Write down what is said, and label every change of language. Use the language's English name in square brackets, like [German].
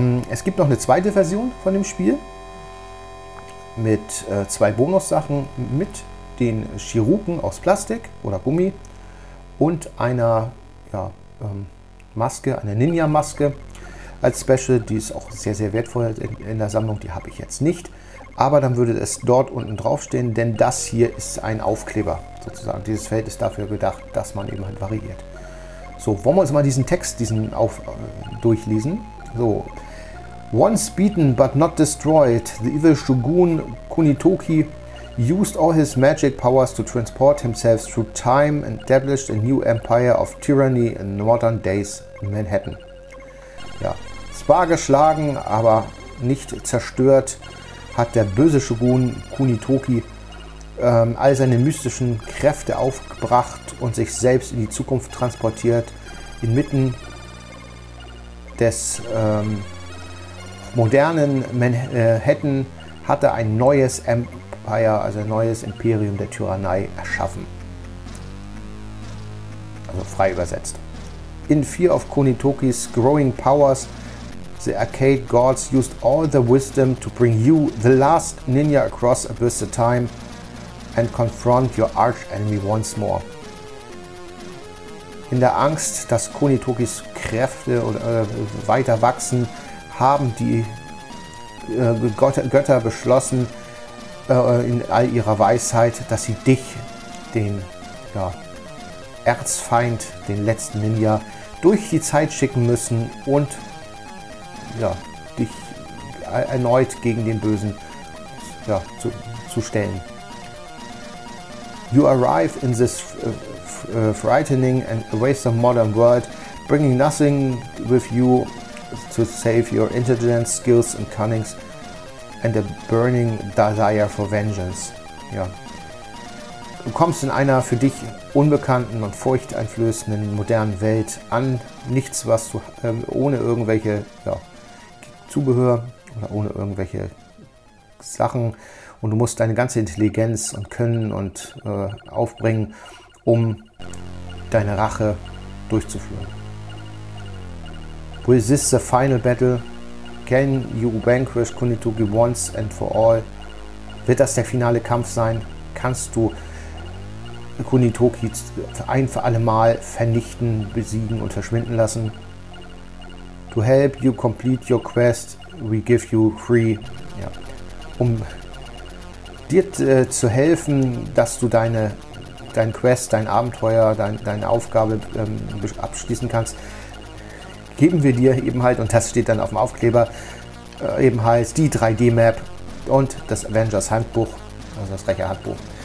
[German] Es gibt noch eine zweite Version von dem Spiel mit zwei Bonussachen, mit den Chirurgen aus Plastik oder Gummi und einer ja, Maske, einer Ninja-Maske als Special. Die ist auch sehr, sehr wertvoll in der Sammlung, die habe ich jetzt nicht. Aber dann würde es dort unten draufstehen, denn das hier ist ein Aufkleber sozusagen. Dieses Feld ist dafür gedacht, dass man eben halt variiert. So, wollen wir uns mal diesen Text, diesen auf durchlesen. So. [English] Once beaten but not destroyed, the evil Shogun Kunitoki used all his magic powers to transport himself through time and established a new empire of tyranny in modern days in Manhattan. [German] Ja, zwar geschlagen, aber nicht zerstört, hat der böse Shogun Kunitoki all seine mystischen Kräfte aufgebracht und sich selbst in die Zukunft transportiert, inmitten des modernen Manhattan hatte ein neues Empire, also ein neues Imperium der Tyrannei erschaffen. Also frei übersetzt. [English] In fear of Kunitoki's growing powers, the Arcade Gods used all the wisdom to bring you, the last ninja, across abyss of time and confront your arch enemy once more. [German] In der Angst, dass Kunitokis Kräfte weiter wachsen, haben die Götter beschlossen, in all ihrer Weisheit, dass sie dich, den ja, Erzfeind, den letzten Ninja, durch die Zeit schicken müssen und ja, dich erneut gegen den Bösen ja, zu stellen. [English] You arrive in this frightening and wasteful modern world, bringing nothing with you to save your intelligence, skills and cunnings, and a burning desire for vengeance. [German] Ja. Du kommst in einer für dich unbekannten und furchteinflößenden modernen Welt an, nichts, was du ohne irgendwelche Zubehör oder ohne irgendwelche Sachen, und du musst deine ganze Intelligenz und Können und aufbringen, um deine Rache durchzuführen. [English] Will this the final battle? Can you vanquish Kunitoki once and for all? [German] Wird das der finale Kampf sein? Kannst du Kunitoki ein für alle Mal vernichten, besiegen und verschwinden lassen? [English] To help you complete your quest, we give you free. [German] Ja. Um dir zu helfen, dass du dein Quest, dein Abenteuer, deine Aufgabe abschließen kannst, geben wir dir eben halt, und das steht dann auf dem Aufkleber, eben halt die 3D-Map und das Avengers-Handbuch, also das Rächer-Handbuch.